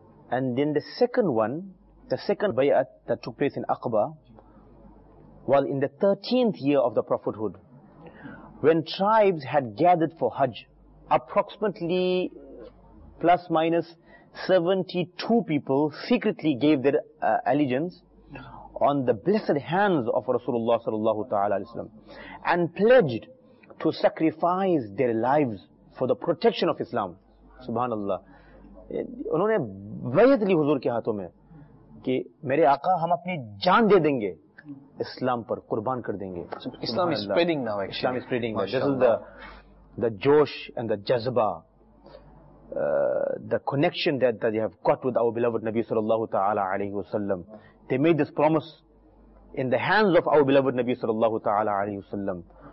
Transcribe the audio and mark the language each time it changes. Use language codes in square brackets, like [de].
[en] And then the second one, the second bay'at that took place in Aqaba, was in the 13th year of the prophethood, when tribes had gathered for Hajj, approximately plus minus 72 people secretly gave their allegiance on the blessed hands of Rasulullah sallallahu ta'ala alayhi wa sallam, and pledged to sacrifice their lives for the protection of Islam. Subhanallah. [ur] انہوں نے بیعت لی حضور کے ہاتھوں میں کہ میرے آقا ہم اپنی جان دے دیں گے اسلام پر قربان کر دیں گے. [en] Islam is spreading now actually. Islam is spreading now. This is the josh and the jazba, the connection that they have got with our beloved Nabi sallallahu ta'ala alayhi wa sallam. they made this promise in the hands of our beloved Nabi sallallahu ta'ala alayhi wa sallam.